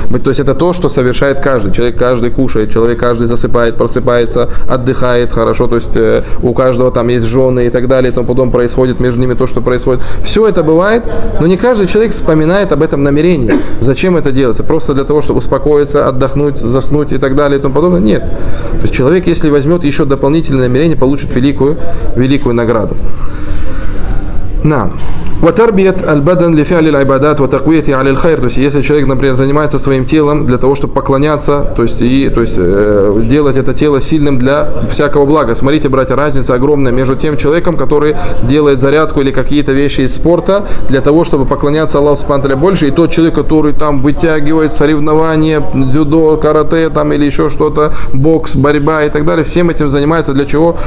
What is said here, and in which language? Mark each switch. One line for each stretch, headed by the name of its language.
Russian: То есть это то, что совершает каждый. Человек каждый кушает, человек каждый засыпает, просыпается, отдыхает, хорошо, то есть у каждого там есть жены и так далее, и тому потом происходит между ними то, что происходит. Все это бывает, но не каждый человек вспоминает об этом намерении. Зачем это делается? Просто для того, чтобы успокоиться, отдохнуть, заснуть и так далее и тому подобное? Нет. То есть человек, если возьмет еще дополнительное намерение, получит великую, великую награду. Нам.
Arabic: وتربيه البدن لفعل العبادات وتقويته على الخير.
Russian: То есть если человек, например, занимается своим телом для того, чтобы поклоняться, то есть делать это тело сильным для всякого блага. Смотрите, братья, разница огромная между тем человеком, который делает зарядку или какие-то вещи из спорта для того, чтобы поклоняться Аллаху Субхану Тааля больше, и тот человек, который там вытягивает соревнования, дзюдо, карате там или еще что-то, бокс, борьба и так далее, всем этим занимается для чего?